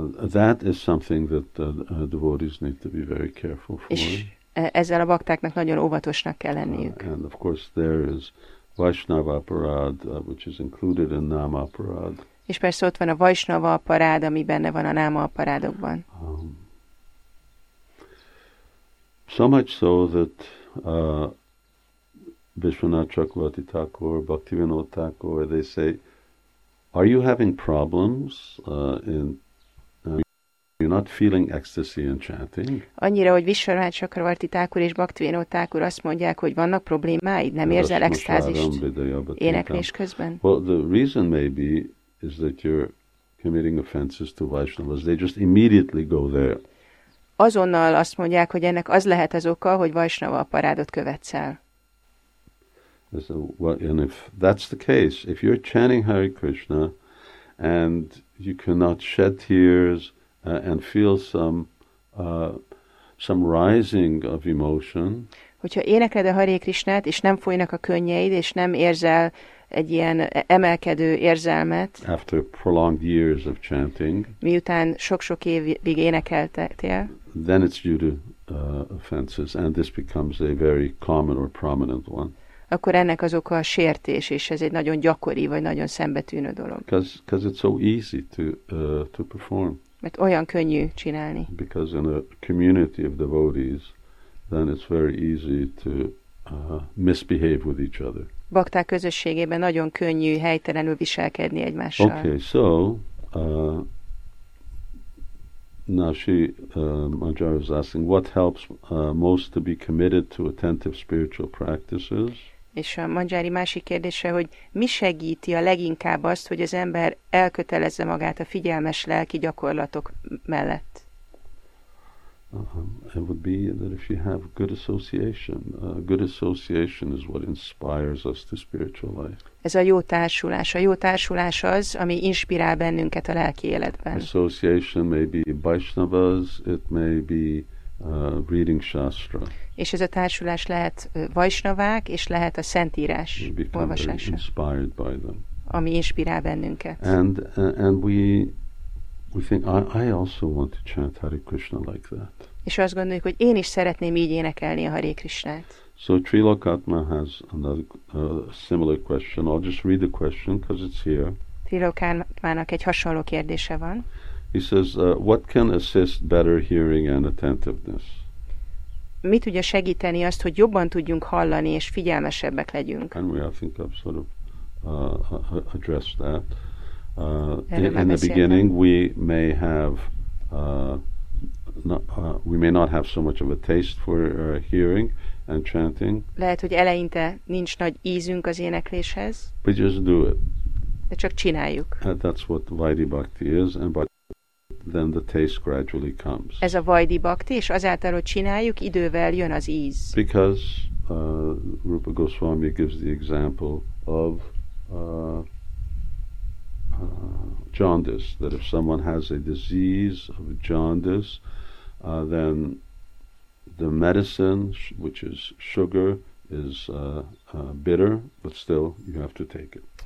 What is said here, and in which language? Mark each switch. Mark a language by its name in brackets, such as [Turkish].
[English] That is something that devotees need to be very careful for. [Hungarian] És ezzel a baktáknak nagyon óvatosnak kell lenniük. [English] And of course there is Vaishnava aparád, which is included in Nama aparád. [Hungarian] És persze ott van a Vaishnava aparád, ami benne van a Nama aparádokban. [English] So much so that Vishwanath Chakravarti Thakur, Bhaktivinoda Thakur, they say, are you having problems in you're not feeling ecstasy in chanting? [Hungarian] Annyira, hogy Vishwanath Chakravarti Thakur és Bhaktivinoda Thakur azt mondják, hogy vannak problémáid, nem érzel extázist éneklés közben? [English] Well, the reason maybe is that you're committing offenses to Vaishnavas. They just immediately go there. [Hungarian] Azonnal azt mondják, hogy ennek az lehet az oka, hogy Vaishnava aparádot követsz el. [English] And if that's the case, if you're chanting Hare Krishna and you cannot shed tears and feel some rising of emotion. [Hungarian] Hogyha énekled a Hare Krishnát, és nem folynak a könnyeid, és nem érzel egy ilyen emelkedő érzelmet. [English] After prolonged years of chanting. [Hungarian] Miután sok-sok évig énekeltél. [English] Then it's due to offenses, and this becomes a very common or prominent one. [Hungarian] Akkor ennek az oka a sértés, és ez egy nagyon gyakori, vagy nagyon szembetűnő dolog. [English] Because it's so easy to perform. [Hungarian] Mert olyan könnyű csinálni. [English] Because in a community of devotees, then it's very easy to misbehave with each other. [Hungarian] Bakták közösségében nagyon könnyű helytelenül viselkedni egymással. [English] Okay, so now she, Manjari was asking, what helps most to be committed to attentive spiritual practices? [Hungarian] És a Manjari másik kérdése, hogy mi segíti a leginkább azt, hogy az ember elkötelezze magát a figyelmes lelki gyakorlatok mellett? [English] It would be that if you have good association. Good association is what inspires us to spiritual life. [Hungarian] Ez a jó társulás. A jó társulás az, ami inspirál bennünket a lelki életben. [English] Association may be Vaishnavas, it may be reading Shastra. [Hungarian] És ez a társulás lehet Vaishnavák, és lehet a Szentírás olvasása. [English] Inspired by them. [Hungarian] Ami inspirál bennünket. [English] And we think I also want to chant Hare Krishna like that. [Hungarian] És azt gondoljuk, hogy én is szeretném így énekelni a Hare Krishnát. [English] So Trilokatma has another similar question. I'll just read the question because it's here. [Hungarian] Trilokatmának egy hasonló kérdése van. [English] He says, what can assist better hearing and attentiveness? [Hungarian] Mi tudja segíteni azt, hogy jobban tudjunk hallani és figyelmesebbek legyünk? [English] And we I think I've sort of addressed that. In the beginning, we may not have so much of a taste for hearing and chanting. [Hungarian] Lehet, hogy eleinte nincs nagy ízünk az énekléshez. [English] But just do it. [Hungarian] De csak csináljuk. [English] That's what Vaidhi Bhakti is, and by then the taste gradually comes. [Hungarian] Ez a Vaidhi Bhakti, és azáltal, hogy csináljuk, idővel jön az íz. [English] Because Rupa Goswami gives the example of jaundice, that if someone has a disease of jaundice, then the medicine, which is sugar, is bitter, but still you have to take it.